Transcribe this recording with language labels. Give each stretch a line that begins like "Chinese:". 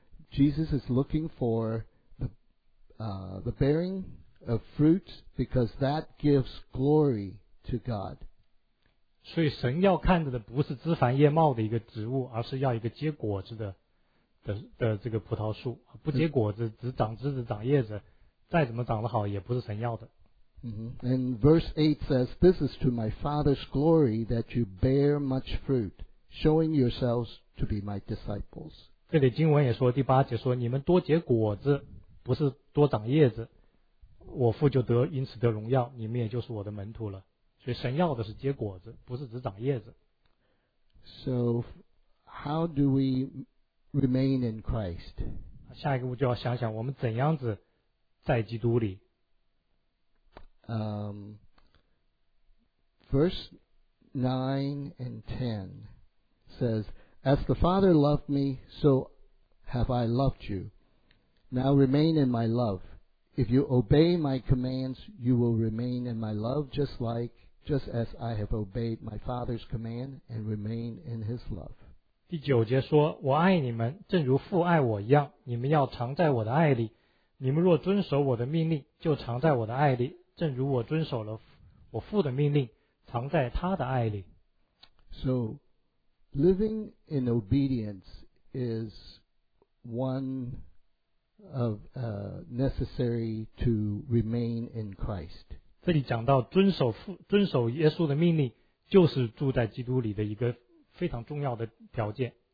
English: Jesus is looking for the bearing of fruit because that gives glory to God.
Chinese: 所以神要看着的不是枝繁叶茂的一个植物，而是要一个结果子的这个葡萄树。不结果子，只长枝子、长叶子，再怎么长得好，也不是神要的。
English: And verse 8 says, "This is to my Father's glory that you bear much fruit, showing yourselves to be my disciples."
Chinese: 这里经文也说，第八节说，你们多结果子，不是多长叶子，我父就因此得荣耀，你们也就是我的门徒了。所以神要的是结果子，不是只长叶子。
English: So, how do we remain in Christ?
Chinese: 下一个我就要想想，我们怎样子在基督里。
English: Verse 9 and 10 says, "As the Father loved me, so have I loved you. Now remain in my love. If you obey my commands, you will remain in my love, just as I have obeyed my Father's command and remain in His love."
Chinese: 第九节说，我爱你们，正如父爱我一样，你们要常在我的爱里。你们若遵守我的命令，就常在我的爱里，正如我遵守了我父的命令，常在他的爱里。
English: So, living in obedience is one of necessary to remain in Christ.
Chinese: 这里讲到遵守耶稣的命令，就是住在基督里的一个非常重要的条件。